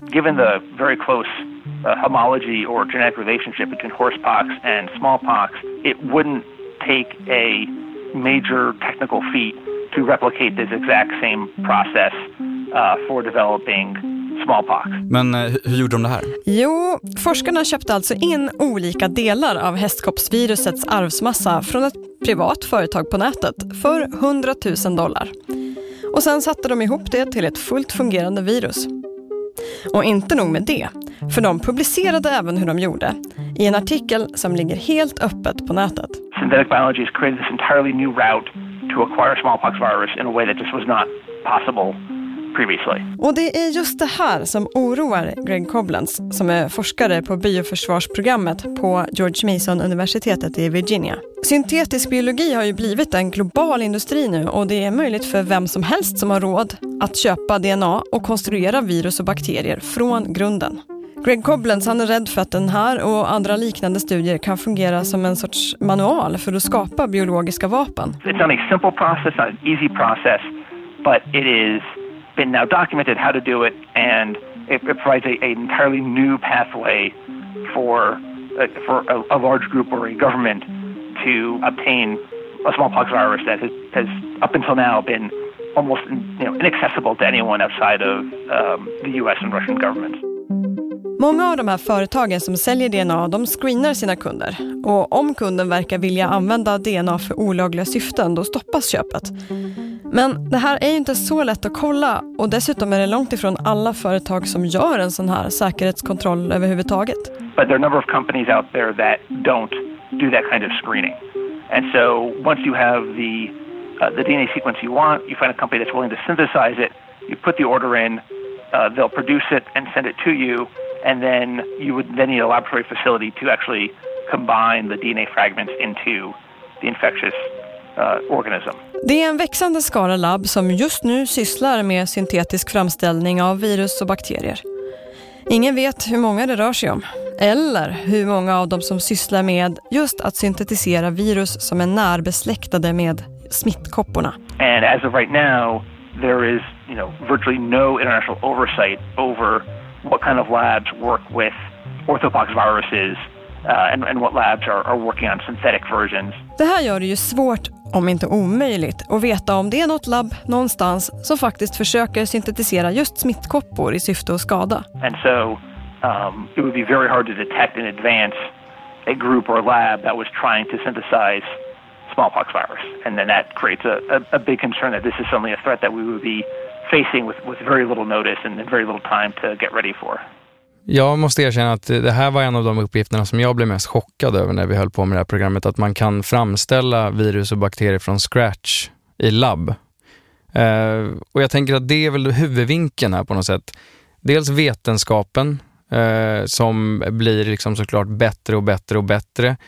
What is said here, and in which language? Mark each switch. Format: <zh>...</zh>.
<en>Given the very close homology or genetic relationship between horsepox and smallpox, it wouldn't take a major technical feat to replicate this exact same process for developing smallpox.</en> <sv>Men hur gjorde de det här? Jo, forskarna köpte alltså in olika delar av hästkoppsvirusets arvsmassa från ett privat företag på nätet för $100,000. Och sen satte de ihop det till ett fullt fungerande virus. Och inte nog med det, för de publicerade även hur de gjorde i en artikel som ligger helt öppet på nätet.</sv> <en>Synthetic biology has created this entirely new route to acquire smallpox virus in a way that just was not possible previously.</en> <sv>Och det är just det här som oroar Greg Koblenz, som är forskare på bioförsvarsprogrammet på George Mason-universitetet i Virginia. Syntetisk biologi har ju blivit en global industri nu och det är möjligt för vem som helst som har råd att köpa DNA och konstruera virus och bakterier från grunden. Greg Koblenz, han är rädd för att den här och andra liknande studier kan fungera som en sorts manual för att skapa biologiska vapen.</sv> <en>It's not a simple process, not an easy process, but it is been now documented how to do it, and it provides an entirely new pathway for a large group or a government to obtain a smallpox virus that has up until now been almost inaccessible to anyone outside of the US and Russian governments.</en> <sv>Många av de här företagen som säljer DNA, de screenar sina kunder. Och om kunden verkar vilja använda DNA för olagliga syften, då stoppas köpet. Men det här är ju inte så lätt att kolla, och dessutom är det långt ifrån alla företag som gör en sån här säkerhetskontroll överhuvudtaget.</sv> <en>But there are a number of companies out there that don't do that kind of screening. And so once you have the DNA sequence you want, you find a company that's willing to synthesize it, you put the order in, they'll produce it and send it to you. And then you would then need a laboratory facility to actually combine the DNA fragments into the infectious organism.</en> <sv>Det är en växande skara labb som just nu sysslar med syntetisk framställning av virus och bakterier. Ingen vet hur många det rör sig om, eller hur många av dem som sysslar med just att syntetisera virus som är närbesläktade med smittkopporna.</sv> <en>And as of right now, there is, you know, virtually no international oversight over what kind of labs work with orthopox viruses and what labs are working on synthetic versions.</en> <sv>Det här gör det ju svårt, om inte omöjligt, att veta om det är något labb någonstans som faktiskt försöker syntetisera just smittkoppor i syfte att skada.</sv> <en>And so It would be very hard to detect in advance a group or lab that was trying to synthesize smallpox virus. And then that creates a big concern that this is suddenly a threat that we would be facing with very little notice and very little time to get ready for.</en> <sv>Jag måste erkänna att det här var en av de uppgifterna som jag blev mest chockad över när vi höll på med det här programmet. Att man kan framställa virus och bakterier från scratch i labb. Och jag tänker att det är väl huvudvinkeln här på något sätt. Dels vetenskapen som blir liksom såklart bättre och bättre och bättre.</sv>